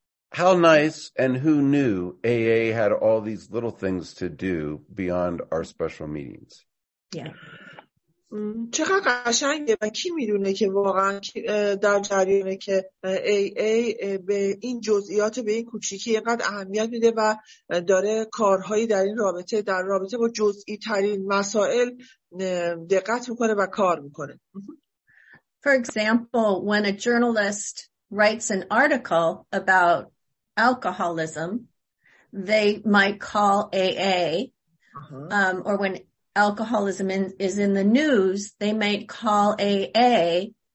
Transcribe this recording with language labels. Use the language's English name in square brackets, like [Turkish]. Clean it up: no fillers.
[English] How nice and who knew AA had all these little things to do beyond our special meetings. Yeah. [Persian] چه قشنگه و کی میدونه که واقعا در جریانه که AA به این جزئیات به این کوچیکی اینقدر اهمیت میده و داره کارهایی در این رابطه در رابطه با جزئی ترین مسائل دقت میکنه و کار میکنه. [English] For example, when a journalist writes an article about alcoholism, they might call AA, or when alcoholism is in the news, they might call AA.